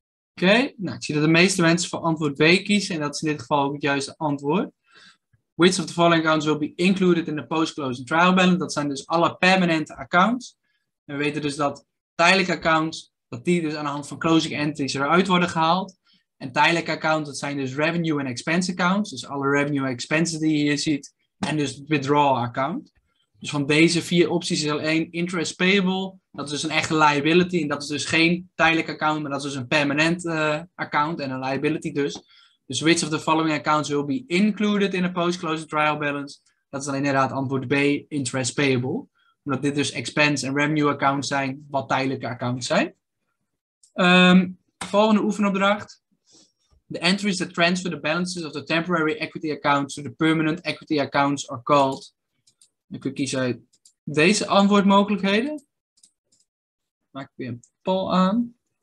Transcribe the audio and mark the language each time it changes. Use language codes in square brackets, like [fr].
[nl] Oké, nou, ik zie dat de meeste mensen voor antwoord B kiezen en dat is in dit geval ook het juiste antwoord. [en] Which of the following accounts will be included in the post-closing trial balance? [nl] Dat zijn dus alle permanente accounts. En we weten dus dat tijdelijke accounts, dat die dus aan de hand van closing entries eruit worden gehaald. En tijdelijke accounts, dat zijn dus revenue en expense accounts. Dus alle revenue en expenses die je hier ziet. En dus het withdrawal account. Dus van deze vier opties is alleen interest payable. Dat is dus een echte liability. En dat is dus geen tijdelijk account, maar dat is dus een permanent account en een liability dus. [en] Dus which of the following accounts will be included in a post-closing trial balance? [nl] Dat is dan inderdaad antwoord B, interest payable. Omdat dit dus expense en revenue accounts zijn, wat tijdelijke accounts zijn. Volgende oefenopdracht. [en] The entries that transfer the balances of the temporary equity accounts to the permanent equity accounts are called. [nl] Dan kun je kiezen uit deze antwoordmogelijkheden. Maak ik weer een poll aan.